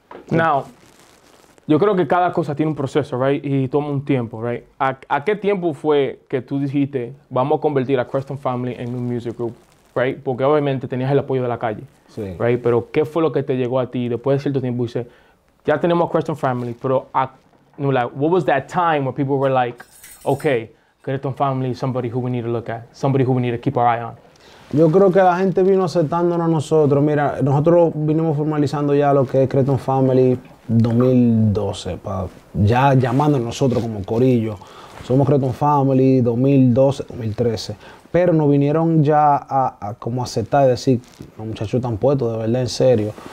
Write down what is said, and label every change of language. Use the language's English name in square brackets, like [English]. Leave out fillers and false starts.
[English] Now, [Spanish] yo creo que cada cosa tiene un proceso, [English] right? [Spanish] Y toma un tiempo, right? ¿A qué tiempo fue que tú dijiste, vamos a convertir a Creston Family en un [English] music group, right? [Spanish] Porque obviamente tenías el apoyo de la calle, sí. [English] Right? [Spanish] Pero ¿qué fue lo que te llegó a ti después de cierto tiempo? Y dice, ya tenemos a Creston Family, pero [English] what was that time where people were like, okay, Creston Family is somebody who we need to look at, somebody who we need to keep our eye on? [Spanish] Yo creo que la gente vino aceptándonos a nosotros. Mira, nosotros vinimos formalizando ya lo que es Creston Family 2012, ya llamando a nosotros como corillo. Somos Creston Family 2012, 2013. Pero nos vinieron ya a como aceptar y decir, los muchachos están puestos, de verdad, en serio.